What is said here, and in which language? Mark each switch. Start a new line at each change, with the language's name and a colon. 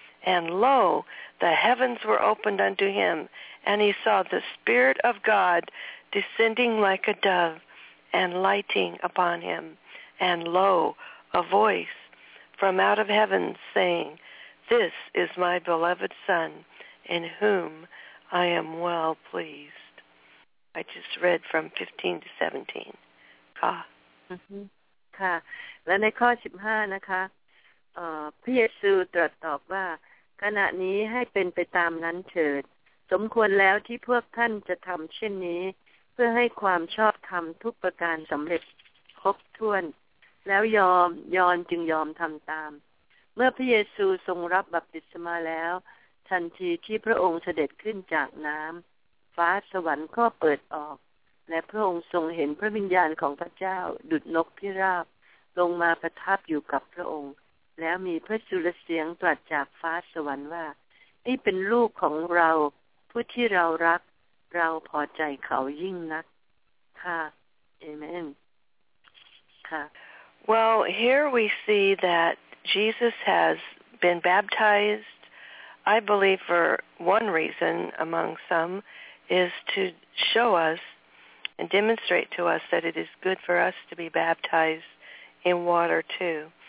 English: And lo, the heavens were opened unto him, and he saw the Spirit of God descending like a dove and lighting upon him. And lo, a voice from out of heaven saying, This is my beloved Son, in whom I am well pleased. I just read from 15 to 17. ค่ะ
Thai: ค่ะและในข้อ15นะคะพระเยซูตรัสตอบว่าขณะนี้ให้เป็นไปตามนั้นเถิดสมควรแล้วที่พวกท่านจะทำเช่นนี้เพื่อให้ความชอบธรรมทุกประการสำเร็จครบถ้วนแล้ว ยอมจึงยอมทำตามเมื่อพระเยซูทรงรับบัพติศมาแล้วทันทีที่พระองค์เสด็จขึ้นจากน้ำฟ้าสวรรค์ก็เปิดออกและพระองค์ทรงเห็นพระวิญญาณของพระเจ้าดุจนกพิราบลงมาประทับอยู่กับพระองค์แล้วมีพระสุรเสียงตรัสจากฟ้าสวรรค์ว่านี่เป็นลูกของเราผู้ที่เรารักเราพอใจเขายิ่งนักค่ะ
English: Amen. Well, here we see that Jesus has been baptized, I believe for one reason among some, is to show us and demonstrate to us that it is good for us to be baptized in water too.